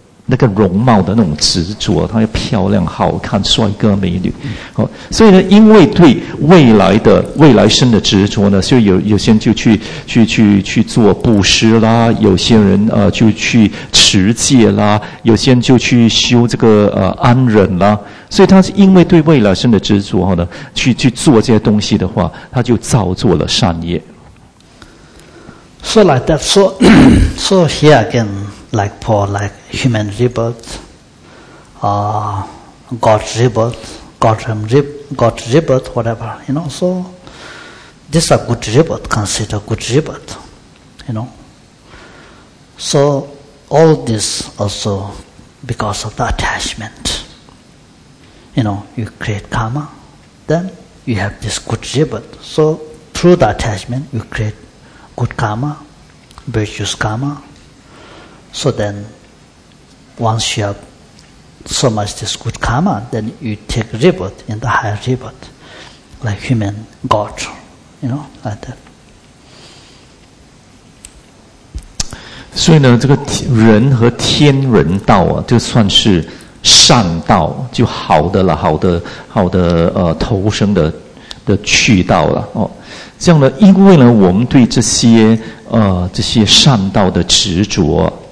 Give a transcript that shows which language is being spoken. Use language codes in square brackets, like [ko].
[zh] 那个容貌的那种执着，他要漂亮好看，帅哥美女，哦，所以呢，因为对未来的未来生的执着呢，所以有些人就去做布施啦，有些人就去持戒啦，有些人就去修这个安忍啦，所以他是因为对未来生的执着呢，去做这些东西的话，他就造作了善业。 [en] So like that, so here again. Like Paul, like human rebirth, God rebirth, whatever, you know. So, this is a good rebirth, consider good rebirth, you know. So, all this also because of the attachment, you know, you create karma, then you have this good rebirth. So, through the attachment, you create good karma, virtuous karma. So then, once you have so much this good karma, then you take rebirth in the higher rebirth, like human God, you know, like that. [zh] 所以呢，这个人和天人道啊，就算是善道，就好的了，好的，投生的去道了哦。这样呢，因为呢，我们对这些善道的执着。